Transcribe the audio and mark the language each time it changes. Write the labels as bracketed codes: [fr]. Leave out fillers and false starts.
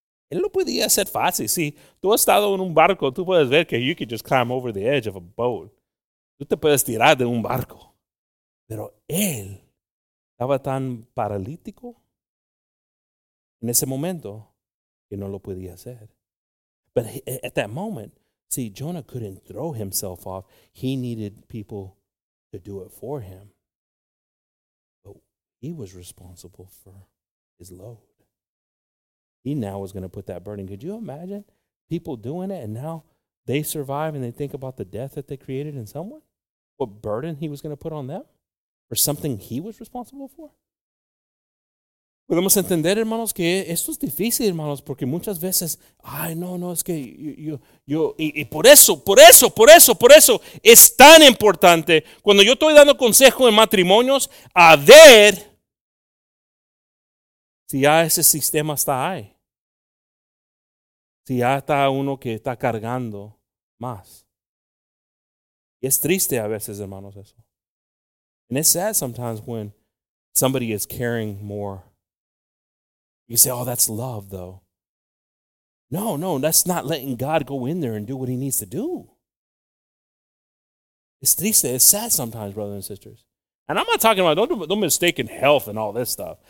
[es] Él lo podía hacer fácil, sí. Tú has estado en un barco, tú puedes ver que [en] you could just climb over the edge of a boat. [es] Tú te puedes tirar de un barco. Pero él estaba tan paralítico en ese momento que no lo podía hacer. [en] But at that moment, see, Jonah couldn't throw himself off. He needed people to do it for him. But he was responsible for his load. He now was going to put that burden. Could you imagine people doing it and now they survive and they think about the death that they created in someone? What burden he was going to put on them? For something he was responsible for? [es] Podemos entender, hermanos, que esto es difícil, hermanos, porque muchas veces, ay, no, es que yo, y por eso es tan importante cuando yo estoy dando consejo en matrimonios a ver si ya ese sistema está ahí. Si ya está uno que está cargando más. Y es triste a veces, hermanos, eso. [en] And it's sad sometimes when somebody is caring more. You say, oh, that's love, though. No, that's not letting God go in there and do what he needs to do. It's triste. It's sad sometimes, brothers and sisters. And I'm not talking about, don't mistake in health and all this stuff.